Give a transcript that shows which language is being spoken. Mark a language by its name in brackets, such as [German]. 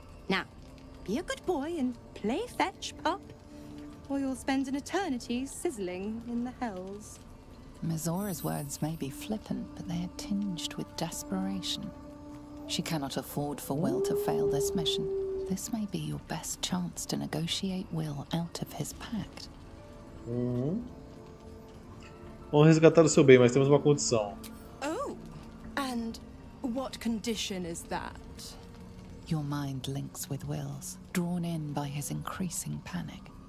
[English] Now, be a good boy and play fetch, pup, or you'll spend an eternity sizzling in the hells. Mizora's words may be flippant, but they are tinged with desperation. She cannot afford for Will to fail this mission. This may be your best chance to negotiate Will out of his pact. [Portuguese] Vamos resgatar o seu bem, mas temos uma condição. [English] Oh, and what condition is that? Your mind links with Will's, drawn in by his increasing panic.